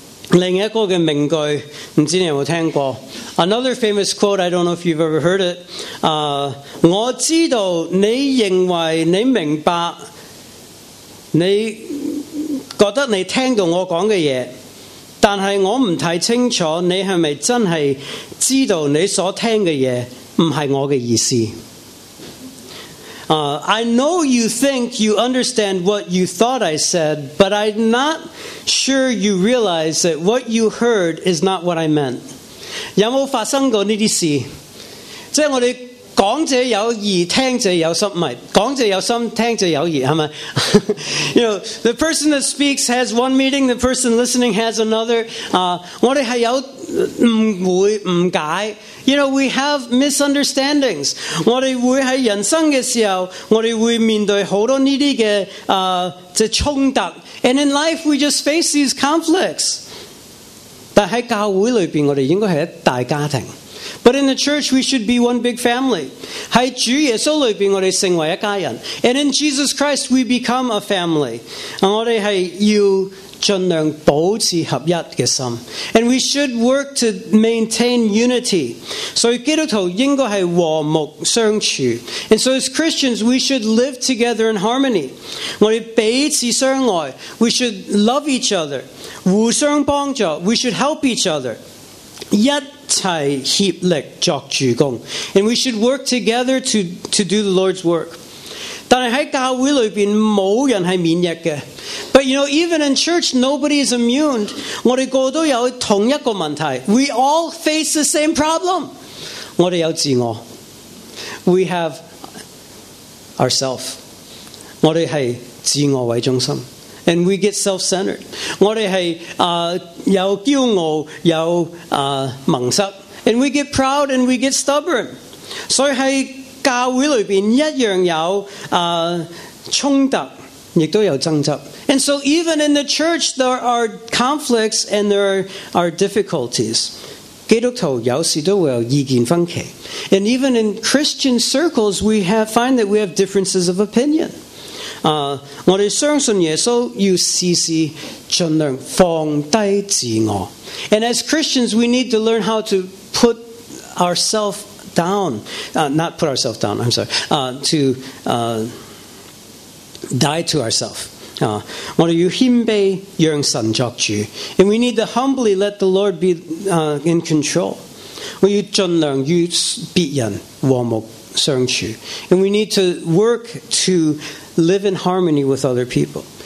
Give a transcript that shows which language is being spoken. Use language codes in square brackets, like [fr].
[zh] 另一个的名句，不知道你有没有听过。 [en] Another famous quote, I don't know if you've ever heard it. [zh] 我知道你认为你明白你觉得你听到我讲的嘢，但是我不太清楚你是不是真的知道你所听的嘢不是我的意思。 [en] I know you think you understand what you thought I said, but I'm not sure you realize that what you heard is not what I meant. [zh] 有没有发生过这些事？即是我们讲者有意，听者有心，不是，讲者有心，听者有意，是吗？ [en] You know, the person that speaks has one meaning, the person listening has another. [zh] 我们是有误会、误解。 [en] You know, we have misunderstandings. [zh] 我们会在人生的时候，我们会面对很多这些的冲突。 [en] And in life, we just face these conflicts. [zh] 但在教会里面，我们应该是一大家庭。 [en] But in the church, we should be one big family. [zh] 在主耶稣里面，我们成为一家人。 [en] And in Jesus Christ, we become a family. [zh] 我们是要尽量保持合一的心。 [en] And we should work to maintain unity. [zh] 所以基督徒应该是和睦相处。 [en] And so as Christians, we should live together in harmony. [zh] 我们彼此相爱。 [en] We should love each other. [zh] 互相帮助。 [en] We should help each other. [zh] 一齐协力作主工， [en] and we should work together to do the Lord's work. [zh] 但是在教会里面没人是免疫的。 [en] But you know, even in church, nobody is immune. [zh] 我们个都有同一个问题。 [en] We all face the same problem. [zh] 我们有自我。 [en] We have ourself. [zh] 我们是自我为中心。 [en] And we get self-centered. [zh] 我们是有骄傲，有蒙塞。 [en] And we get proud and we get stubborn. [zh] 所以在教会里面一样有冲突，也都有争执。 [en] And so even in the church, there are conflicts and there are difficulties. [zh] 基督徒有时都会有意见分歧。 [en] And even in Christian circles, we have, find that we have differences of opinion. [zh] 我们相信耶稣，要试试尽量放低自我。 [en] And as Christians, we need to learn how to put ourselves down, not put ourselves down, I'm sorry, to die to ourselves. [zh] 我们要谦卑让神作主。 [en] And we need to humbly let the Lord be in control. [zh] 我们要尽量与别人和睦相处。 [en] And we need to work toLive in harmony with other people.